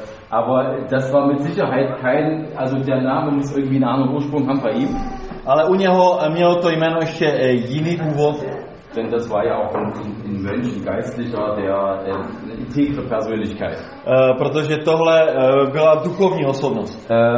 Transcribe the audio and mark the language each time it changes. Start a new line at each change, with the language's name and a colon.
German: Aber das war mit Sicherheit kein, also der Name muss irgendwie einen anderen Ursprung haben bei ihm.
Czech: Ale u něho mělo to jméno ještě jiný důvod.
German: Denn das war ja auch ein Mönch, ein Geistlicher, der integre Persönlichkeit.
Czech: Protože tohle byla duchovní osobnost.